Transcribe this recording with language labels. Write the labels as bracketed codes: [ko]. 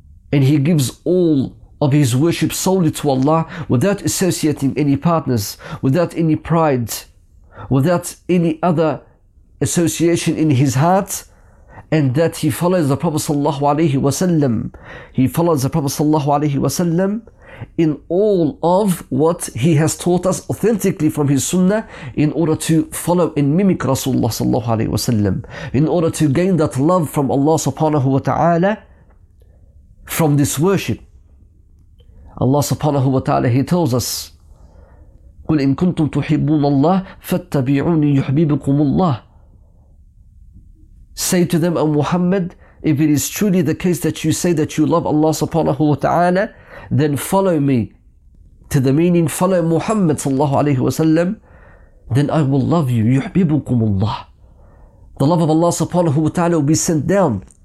[en] And he gives all of his worship solely to Allah, without associating any partners, without any pride, without any other association in his heart, and that he follows the Prophet sallallahu alaihi wasallam. He follows the Prophet sallallahu alaihi wasallam, in all of what he has taught us authentically from his sunnah in order to follow and mimic Rasulullah sallallahu alayhi wa sallam, in order to gain that love from Allah subhanahu wa ta'ala from this worship. Allah subhanahu wa ta'ala, he tells us, [ar] قُلْ إِن كُنْتُمْ تُحِبُّونَ اللَّهِ فَاتَّبِعُونِي يُحْبِبُكُمُ اللَّهِ. [en] Say to them, O Muhammad, if it is truly the case that you say that you love Allah subhanahu wa ta'ala, then follow me. To the meaning, follow Muhammad sallallahu alayhi wa sallam, then I will love you. [ar] يُحْبِبُكُمُ اللَّهِ. [en] The love of Allah subhanahu wa ta'ala will be sent down.